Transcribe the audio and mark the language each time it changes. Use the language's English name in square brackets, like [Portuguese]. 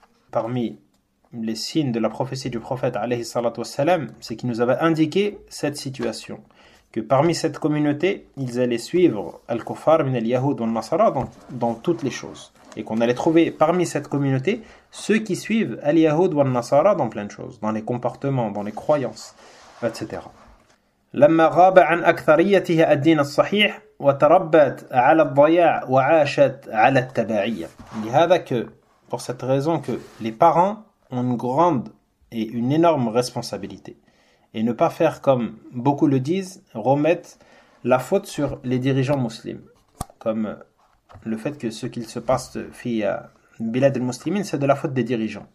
[French] Parmi les signes de la prophétie du prophète alayhi salatu wassalam, c'est qu'il nous avait indiqué cette situation, que parmi cette communauté, ils allaient suivre al-kuffar, [Arabic] min al-yahoud [French] ou al-nasara dans toutes les choses. Et qu'on allait trouver parmi cette communauté ceux qui suivent Al-Yahoud ou Al-Nasara dans plein de choses, dans les comportements, dans les croyances, etc. [Arabic] لما غاب عن أكثريته الدين الصحيح وتربت على الضياع وعاشت على التبعية. لهذا [French] que pour cette raison que les parents ont une grande et une énorme responsabilité. Et ne pas faire comme beaucoup le disent, remettre la faute sur les dirigeants musulmans. Comme le fait que ce qu'il se passe fait à Bilad al-Muslimin, c'est de la faute des dirigeants.